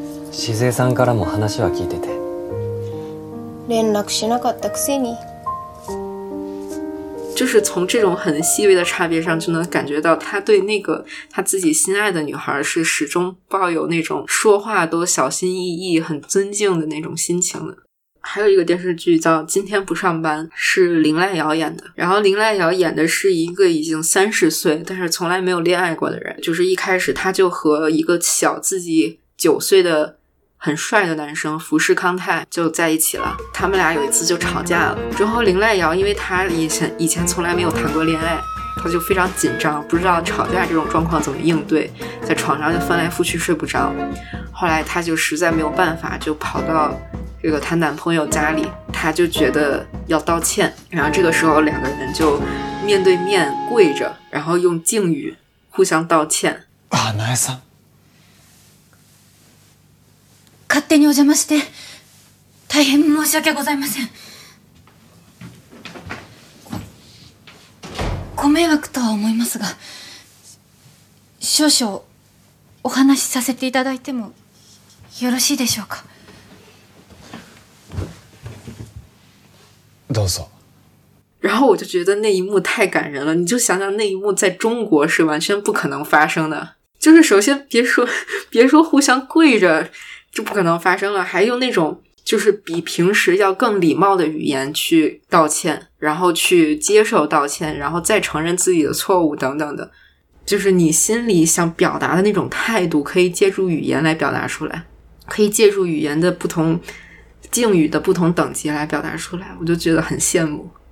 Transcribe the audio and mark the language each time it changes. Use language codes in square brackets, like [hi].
[ja] 静江さんからも話は聞いてて。連絡しなかったくせに。 [zh] 就是从这种很细微的差别上，就能感觉到他对那个他自己心爱的女孩是始终抱有那种说话都小心翼翼、很尊敬的那种心情的。还有一个电视剧叫《今天不上班》，是林濑遥演的。然后林濑遥演的是一个已经30岁但是从来没有恋爱过的人，就是一开始他就和一个小自己9岁的很帅的男生福士康泰就在一起了。他们俩有一次就吵架了，之后林濑遥因为他以前从来没有谈过恋爱，他就非常紧张，不知道吵架这种状况怎么应对，在床上就翻来覆去睡不着。后来他就实在没有办法，就跑到这个他男朋友家里，他就觉得要道歉。然后这个时候两个人就面对面跪着，然后用敬语互相道歉。 [ja] 啊，奈さん勝手にお邪魔して大変申し訳ございません。ご迷惑とは思いますが、少々お話しさせていただいてもよろしいでしょうか。どうぞ。 [zh] 然后我就觉得那一幕太感人了，你就想想那一幕在中国是完全不可能发生的。就是首先别说互相跪着就不可能发生了，还用那种就是比平时要更礼貌的语言去道歉，然后去接受道歉，然后再承认自己的错误等等的，就是你心里想表达的那种态度可以借助语言来表达出来，可以借助语言的不同敬语的不同等级来表达出来，我就觉得很羡慕。